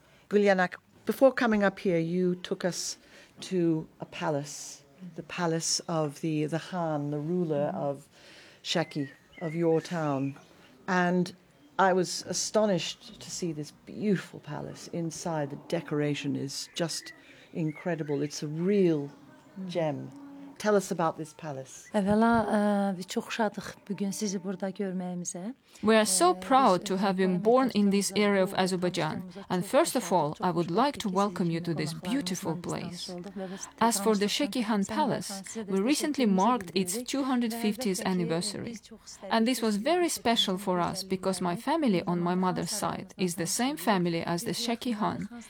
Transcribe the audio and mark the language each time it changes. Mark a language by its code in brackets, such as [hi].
[en] Gulyanak, before coming up here, you took us to a palace, the palace of the Khan, the ruler of Shaki, of your town. And I was astonished to see this beautiful palace inside. The decoration is just incredible. It's a real gem. Tell us about this palace. [az] Evvela biz çok şadık bugün sizi burada görmemize. [en] We are so proud to have been born in this area of Azerbaijan. And first of all, I would like to welcome you to this beautiful place. As for the Shaki Khan Palace, we recently marked its 250th anniversary. And this was very special for us because my family on my mother's side is the same family as the Shaki Khan.